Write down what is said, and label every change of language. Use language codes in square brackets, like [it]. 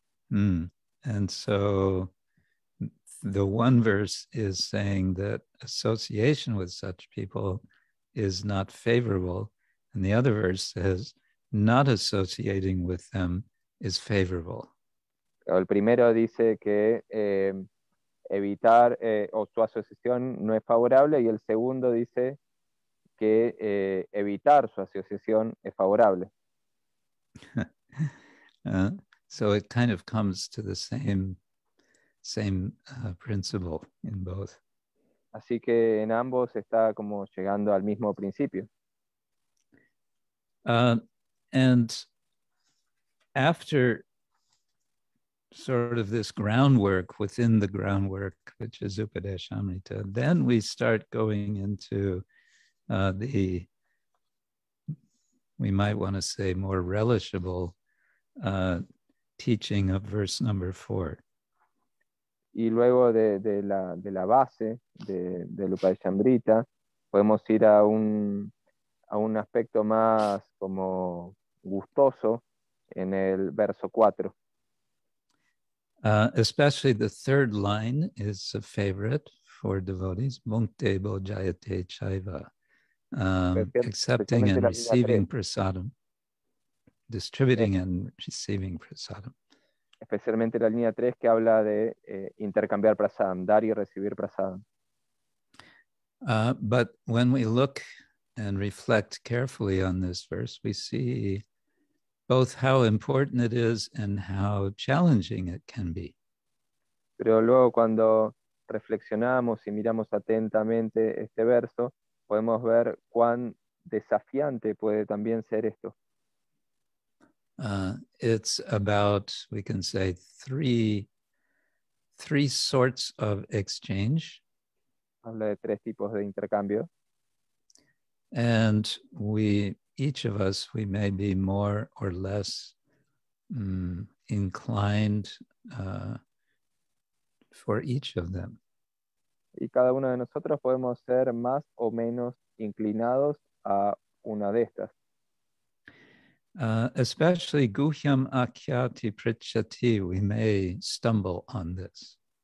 [en] And so the one verse is saying that association with such people is not favorable, and the other verse says not associating with them is favorable. [es] El primero dice que evitar o su asociación no es favorable, y el segundo dice que evitar su asociación es favorable. [en] So it kind of comes to the same principle in both. [es] Así que en ambos está como llegando al mismo principio. [en] And after sort of this groundwork, within the groundwork, which is Upadesamrta, then we start going into we might want to say more relishable teaching of verse number 4. [es] Y luego de la base de Upadesamrta, podemos ir a un aspecto más como gustoso en el verso 4. [en] Especially the third line is a favorite for devotees. [sa] Bhunkte bo jayate chaiva. [en] Accepting and receiving prasadam. Distributing and receiving prasadam. [es] Especialmente la línea 3 que habla de intercambiar prasadam, dar y recibir prasadam. [en] But when we look and reflect carefully on this verse, we see both how important it is and how challenging it can be. [es] Pero luego cuando reflexionamos y miramos atentamente este verso, podemos ver cuán desafiante puede también ser esto. [en] It's about, we can say, three sorts of exchange. [es] Habla de tres tipos de intercambio. [en] And we, each of us, we may be more or less inclined for each of them. [es] Y cada uno de nosotros podemos ser más o menos inclinados a una de estas. [en] Especially [sa] guhyam akhyati prichati, [en] we may stumble on this.